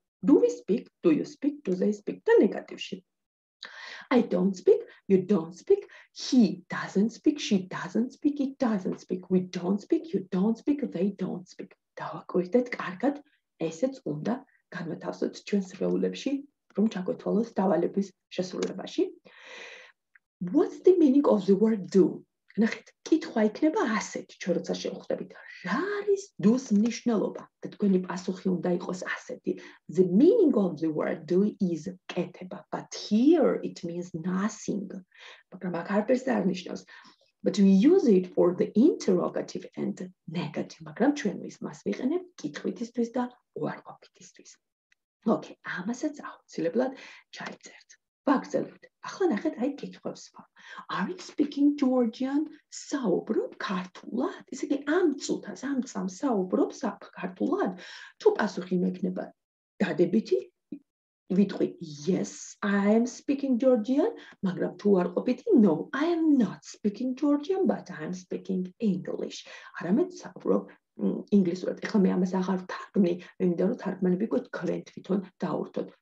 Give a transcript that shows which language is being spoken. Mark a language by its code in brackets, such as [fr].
[en] Do we speak? Do you speak? Do they speak? [ka] Და ნეგატივში. [en] I don't speak. You don't speak. He doesn't speak. She doesn't speak. It doesn't speak. We don't speak. You don't speak. They don't speak. [ka] დავაკვირდეთ კარგად, ესეც უნდა განვითავსოთ ჩვენ სწრაფულებში, რომ ჩაგვეთვალოს დავალების შესრულებაში. [en] What's the meaning of the word do? [ka] ნახეთ, კითხვა იქნება ასეთი, ჩვენ როცა შევხვდებით, რა არის დუს მნიშვნელობა? Და თქვენი პასუხი უნდა იყოს ასეთი. [en] The meaning of the word do is კეთება, but here it means nothing. [ka] მაგრამ აქ არაფერს არ ნიშნავს. [en] But we use it for the interrogative and negative. [ka] მაგრამ ჩვენ მას ვიყენებთ კითხვითისთვის და უარყოფითისთვის. Okay, ამასაც აუცილებლად ჩაიწერთ. Ვაგრძელებთ. Ახლა ნახეთ აი კითხვებს სხვა. [en] Are you speaking Georgian? [ka] Საუბრობ ქართულად? ესე იგი ამ წუთას, ამ წამს საუბრობ საფ ქართულად? Თუ პასუხი მექნება დადებითი, ვიტყვი [en] yes, I am speaking Georgian, [ka] მაგრამ თუ არ ყოფითი [en] no, I am not speaking Georgian, but I am speaking English. [ka] არამედ საუბრობ ინგლისურად. ახლა მე ამას აღარ თარგმნი, მე მინდა რომ თარგმანები გქვენ თვითონ დაურთოთ.